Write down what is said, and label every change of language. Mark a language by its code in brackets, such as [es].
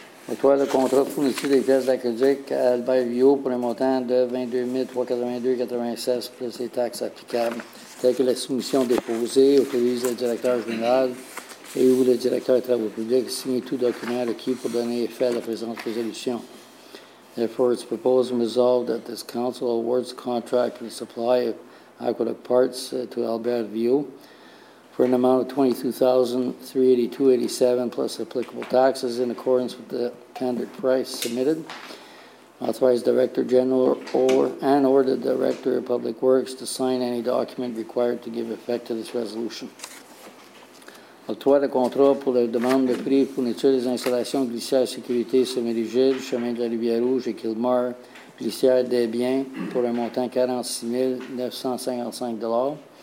[fr] Octroi de contrat fournisseur des pièces d'aqueduc à Albert Viau pour un montant de 22 382,96 $ plus les taxes applicables. Telle que la soumission déposée autorise le directeur général et ou le directeur des travaux publics signer tout document requis pour donner effet à la présente résolution. [en] Therefore, it's proposed and resolved that this council awards contract for the supply of aqueduct parts to Albert Viau for an amount of $22,382.87 plus applicable taxes in accordance with the tendered price submitted. Authorized Director General or the Director of Public Works to sign any document required to give effect to this resolution. [fr] Octroi de contrat pour la demande de prix fourniture des installations glissières sécurité semi-rigide, chemin de la Rivière-Rouge et Kilmar, glissière des biens pour un montant $46,955.